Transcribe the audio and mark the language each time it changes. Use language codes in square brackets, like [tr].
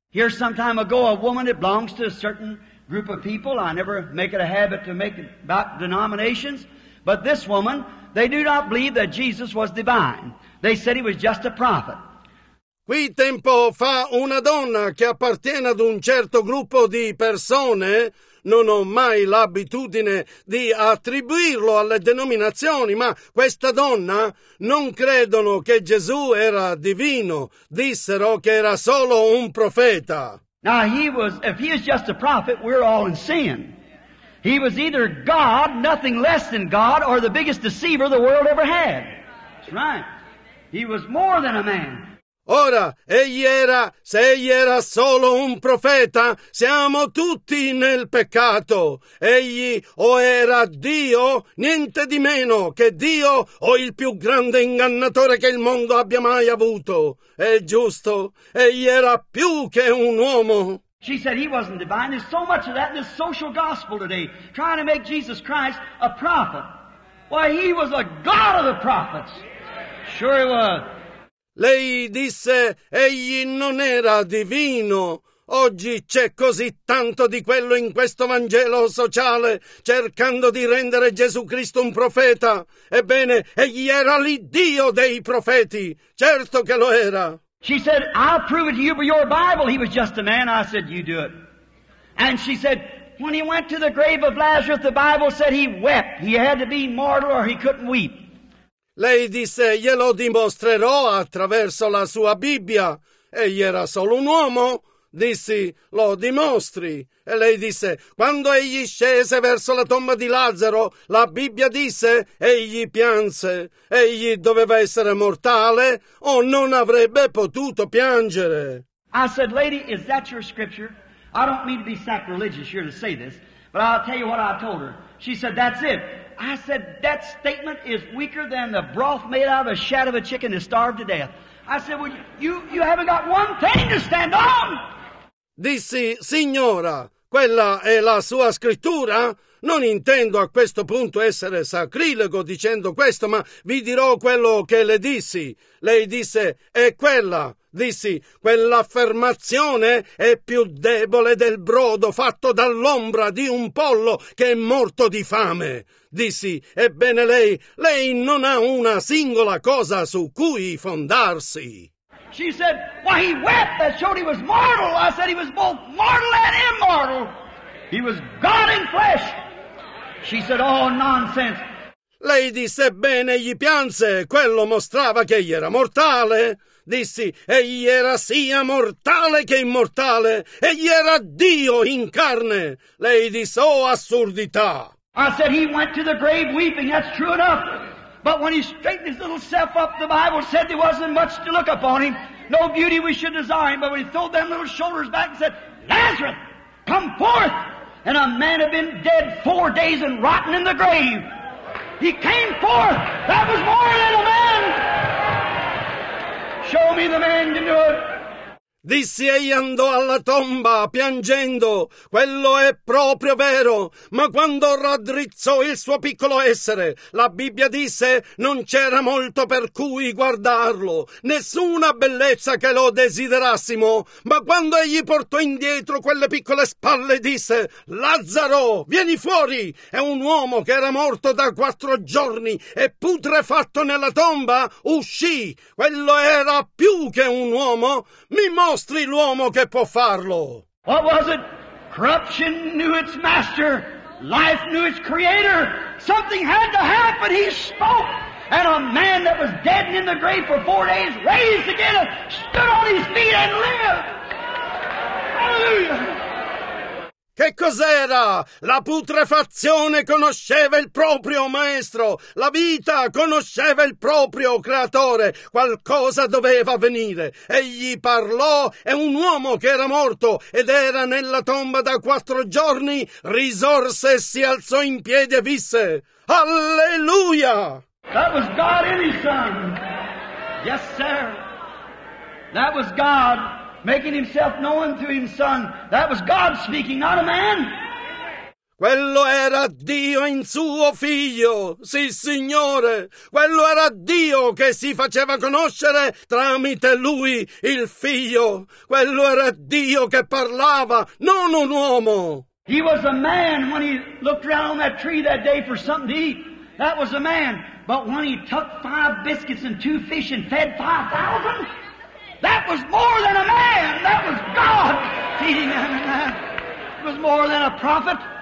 [en] Here some time ago a woman that belongs to a certain group of people. I never make it a habit to make it about denominations. But this woman, they do not believe that Jesus was divine. They said he was just a prophet. [it] Qui tempo fa una donna che appartiene ad un certo gruppo di persone, non ho mai l'abitudine di attribuirlo alle denominazioni, ma questa donna non credono che Gesù era divino. Dissero che era solo un profeta. [en] Now if he is just a prophet, we're all in sin. He was either God, nothing less than God, or the biggest deceiver the world ever had. That's right. He was more than a man. [it] Ora, se egli era solo un profeta, siamo tutti nel peccato. Egli o era Dio, niente di meno che Dio, o il più grande ingannatore che il mondo abbia mai avuto. È giusto, egli era più che un uomo. [en] She said he wasn't divine. There's so much of that in the social gospel today, trying to make Jesus Christ a prophet. Why, he was a God of the prophets. Sure he was. [it] Lei disse, egli non era divino. Oggi c'è così tanto di quello in questo Vangelo sociale, cercando di rendere Gesù Cristo un profeta. Ebbene, egli era l'Iddio dei profeti. Certo che lo era. [en] She said, I'll prove it to you by your Bible. He was just a man. I said, you do it. And she said, when he went to the grave of Lazarus, the Bible said he wept. He had to be mortal or he couldn't weep. [it] Lei disse, glielo dimostrerò attraverso la sua Bibbia. Egli era solo un uomo. Dissi, lo dimostri. E lei disse, quando egli scese verso la tomba di Lazzaro, la Bibbia disse, egli pianse. Egli doveva essere mortale o non avrebbe potuto piangere. [en] I said, lady, is that your scripture? I don't mean to be sacrilegious here to say this, but I'll tell you what I told her. She said, that's it. I said, that statement is weaker than the broth made out of the shad of a chicken that starved to death. I said, well, you haven't got one thing to stand on. [it] Dissi, signora, quella è la sua scrittura? Non intendo a questo punto essere sacrilego dicendo questo, ma vi dirò quello che le dissi. Lei disse, è quella. Dissi, quell'affermazione è più debole del brodo fatto dall'ombra di un pollo che è morto di fame. Dissi, ebbene lei non ha una singola cosa su cui fondarsi. [en] She said, why he wept, that showed he was mortal. I said he was both mortal and immortal. He was God in flesh. She said, oh, nonsense. [it] Lei disse, ebbene, gli pianse, quello mostrava che egli era mortale. Dissi, egli era sia mortale che immortale, egli era Dio in carne. Lei disse, oh, assurdità. [en] I said he went to the grave weeping, that's true enough. But when he straightened his little self up, the Bible said there wasn't much to look upon him. No beauty we should desire him. But when he threw them little shoulders back and said, Lazarus, come forth. And a man had been dead 4 days and rotten in the grave. He came forth. That was more than a man. Show me the man to do it. [it] Disse egli andò alla tomba piangendo. Quello è proprio vero. Ma quando raddrizzò il suo piccolo essere, la Bibbia disse non c'era molto per cui guardarlo. Nessuna bellezza che lo desiderassimo. Ma quando egli portò indietro quelle piccole spalle, disse Lazzaro, vieni fuori! E un uomo che era morto da 4 giorni e putrefatto nella tomba uscì. Quello era più che un uomo. Mi mostri l'uomo che può farlo. [en] What was it? Corruption knew its master. Life knew its creator. Something had to happen. He spoke. And a man that was dead and in the grave for 4 days raised again and stood on his feet and lived. Hallelujah. [it] Che cos'era? La putrefazione conosceva il proprio maestro. La vita conosceva il proprio creatore. Qualcosa doveva avvenire. Egli parlò e un uomo che era morto ed era nella tomba da 4 giorni risorse e si alzò in piedi e visse. Alleluia! [en] That was God in his son. Yes, sir. That was God. Making himself known to his son. That was God speaking, not a man. [it] Quello era Dio in suo figlio. Sì, Signore. Quello era Dio che si faceva conoscere tramite lui, il figlio. Quello era Dio che parlava, non un uomo. [en] He was a man when he looked around on that tree that day for something to eat. That was a man. But when he took 5 biscuits and 2 fish and fed 5,000... That was more than a man. That was God feeding him. It was more than a prophet.